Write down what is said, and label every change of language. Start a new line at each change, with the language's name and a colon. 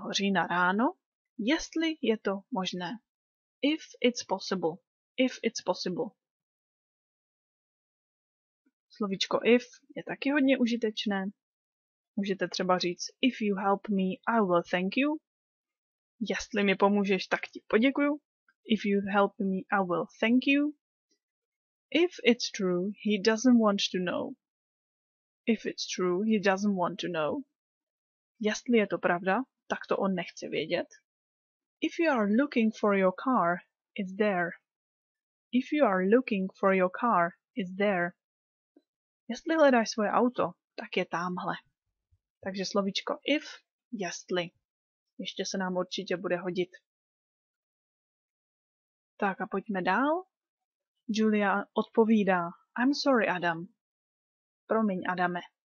Czech: října ráno, jestli je to možné.
English: If it's possible, if it's possible.
Czech: Slovíčko if je taky hodně užitečné. Můžete třeba říct,
English: if you help me, I will thank you.
Czech: Jestli mi pomůžeš, tak ti poděkuju.
English: If you help me, I will thank you. If it's true, he doesn't want to know. If it's true, he doesn't want to know.
Czech: Jestli je to pravda, tak to on nechce vědět.
English: If you are looking for your car, it's there. If you are looking for your car, it's there.
Czech: Jestli hledáš svoje auto, tak je tamhle. Takže slovíčko if, jestli. Ještě se nám určitě bude hodit. Tak a pojďme dál. Julia odpovídá.
English: I'm sorry, Adam.
Czech: Promiň, Adame.